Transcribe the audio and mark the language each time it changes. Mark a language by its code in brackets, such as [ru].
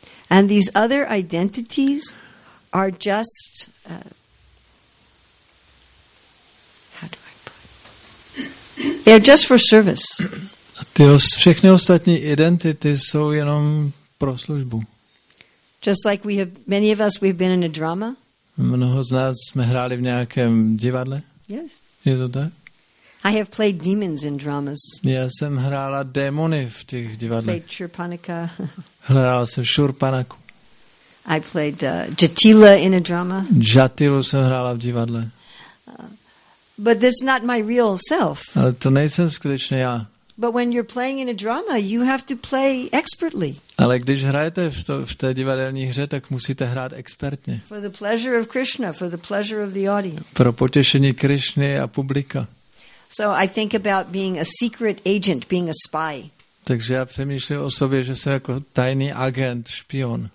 [en] And these other identities are just they're just for service. [cs] Ty všechny ostatní identity jsou jenom pro službu. [en] Just like we have many of us we've been in a drama. [cs] Mnoho z nás jsme hráli v nějakém divadle. [en] Yes. [cs] Je to tak? [en] I have played demons in dramas. [cs] Já jsem hrála démony v těch divadlech. [en] Played Shurpanaka. [cs] Hrála jsem Shurpanaku. [en] I played Jatila in a drama. [cs] Jatilu jsem hrála v divadle. [en] But that's not my real self. [cs] Ale to nejsem skutečně já. [en] But when you're playing in a drama, you have to play expertly. [cs] Ale když hrajete v té divadelní hře, tak musíte hrát expertně. [en] For the pleasure of Krishna, for the pleasure of the audience. [cs] Pro potěšení Krishny a publika. [en] So I think about being a secret agent, being a spy. [cs] Takže já přemýšlím o sobě, že jsem jako tajný agent, špion.